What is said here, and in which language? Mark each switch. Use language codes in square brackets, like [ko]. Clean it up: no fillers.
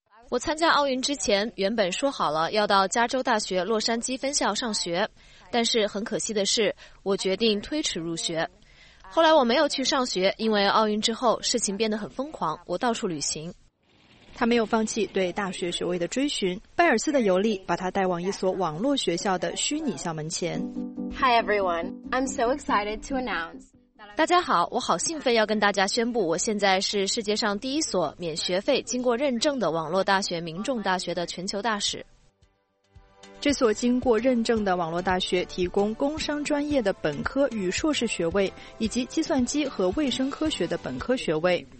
[zh] 我参加奥运之前，原本说好了要到加州大学洛杉矶分校上学，但是很可惜的是，我决定推迟入学。后来我没有去上学，因为奥运之后事情变得很疯狂，我到处旅行。他没有放弃对大学学位的追寻，贝尔斯的游历把他带往一所网络学校的虚拟校门前。 [en] Hi everyone, I'm so excited to announce. [zh] 大家好，我好兴奋要跟大家宣布，我现在是世界上第一所免学费经过认证的网络大学民众大学的全球大使。这所经过认证的网络大学提供工商专业的本科与硕士学位，以及计算机和卫生科学的本科学位。